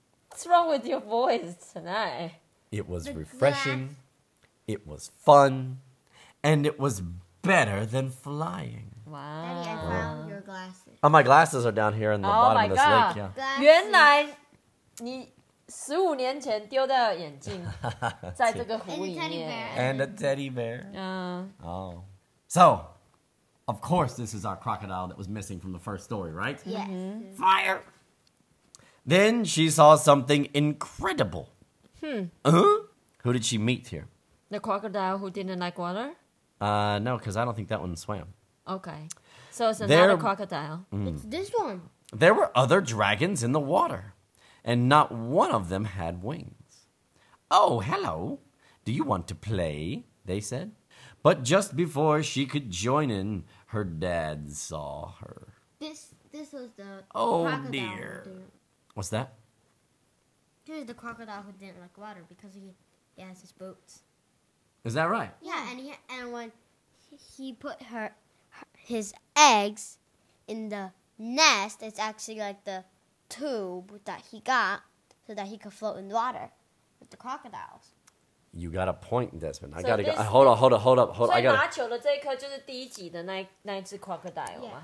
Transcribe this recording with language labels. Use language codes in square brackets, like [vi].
[en] What's wrong with your voice tonight? It was refreshing. It was fun. And it was better than flying. Wow. Daddy, I found your glasses. Oh, my glasses are down here in the bottom of this lake. Yeah. [zh] 原来你15年前丢掉的眼镜在这个湖里面。 [en] And a teddy bear. So... Of course, this is our crocodile that was missing from the first story, right? Yes. Mm-hmm. Fire! Then she saw something incredible. Who did she meet here? The crocodile who didn't like water? No, because I don't think that one swam. Okay. So it's another crocodile. It's this one. There were other dragons in the water, and not one of them had wings. Oh, hello. Do you want to play? They said. But just before she could join in, her dad saw her. This was the crocodile. Oh, dear. What's that? This is the crocodile who didn't like water because he has his boots. Is that right? Yeah, and when he put his eggs in the nest, it's actually like the tube that he got so that he could float in the water with the crocodiles. You got a point, Desmond. I gotta go. Hold up. [zh] So, 拿球的这一颗就是第一集的那一只 crocodile 吗